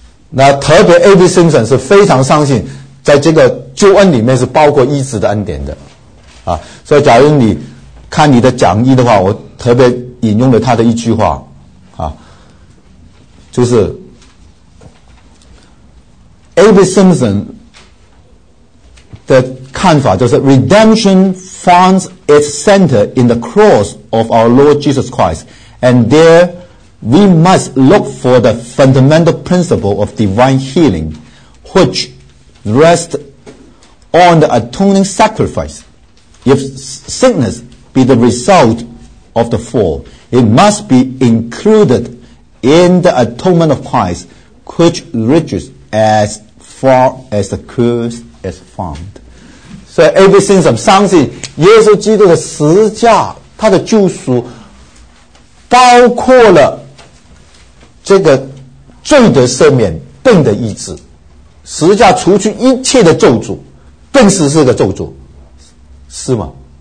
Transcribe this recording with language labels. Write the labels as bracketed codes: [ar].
[zh] 那特别 [en] A.B. [zh] Simpson 是非常相信在这个救恩里面是包括医治的恩典的啊，所以假如你看你的讲义的话，我特别引用了他的一句话啊，就是 A.B. [en] Simpson [zh] 的看法，就是 [en] Redemption finds its center in the cross of our Lord Jesus Christ, and there we must look for the fundamental principle of divine healing, which rests on the atoning sacrifice. If sickness be the result of the fall, it must be included in the atonement of Christ, which reaches as far as the curse is found. [zh] 所以 A.B. Simpson 相信耶稣基督的十字架，他的救赎包括了这个罪的赦免，病的医治，十字架除去一切的咒诅，病死是个咒诅，是吗？